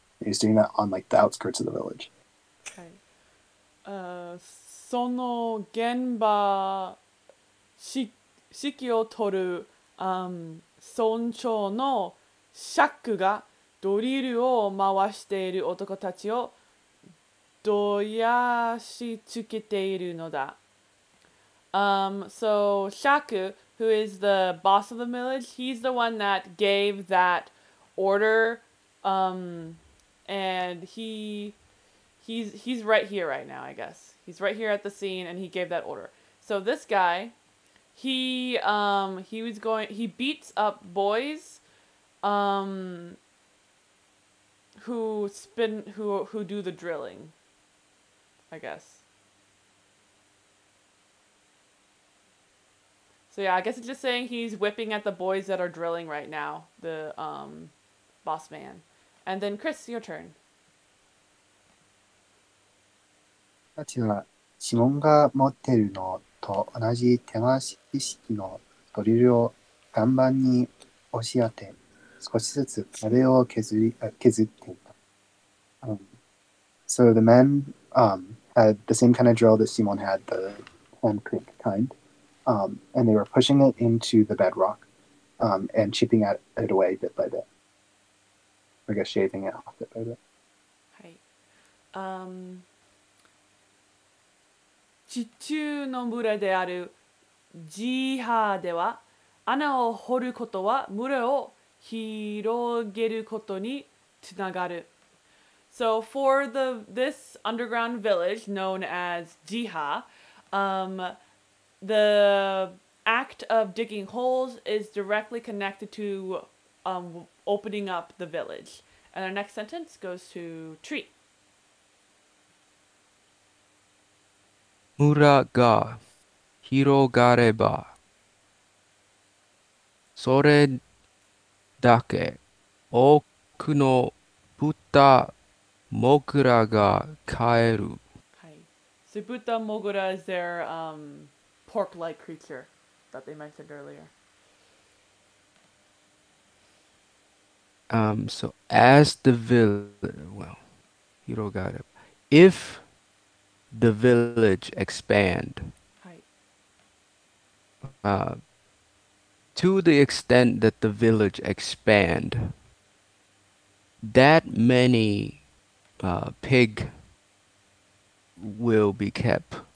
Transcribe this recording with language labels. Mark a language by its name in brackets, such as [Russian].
[English] He's doing that on like the outskirts of the village. Okay. [Japanese] その現場指揮を取る村長のシャックがドリルを回している男たちをどやしつけているのだ。 [English] So Shaku, who is the boss of the village, he's the one that gave that order, and he's right here right now, I guess. He's right here at the scene, and he gave that order. So this guy, he beats up boys, who do the drilling, I guess. So yeah, I guess it's just saying he's whipping at the boys that are drilling right now, the boss man. And then Chris, your turn. [Japanese] たちはシモンが持ってるのと同じ手回し式のドリルを岩盤に押し当て、少しずつ壁を削っていた。 [English] So the men had the same kind of drill that Simon had, the hand pick kind. And they were pushing it into the bedrock and chipping at it away bit by bit. I guess shaving it off bit by bit. Hi. [Japanese] 地中の村であるジーハーでは、穴を掘ることは村を広げることにつながる。 [English] So for this underground village known as Jiha, the act of digging holes is directly connected to opening up the village. And our next sentence goes to Tree. [Japanese] 村が広がれば、それだけ多くの豚モグラが飼える。はい。 [English] So, 豚モグラ is their, pork-like creature that they mentioned earlier. So as the village, well, Hirogareba, if the village expand, to the extent that the village expand, that many pig will be kept.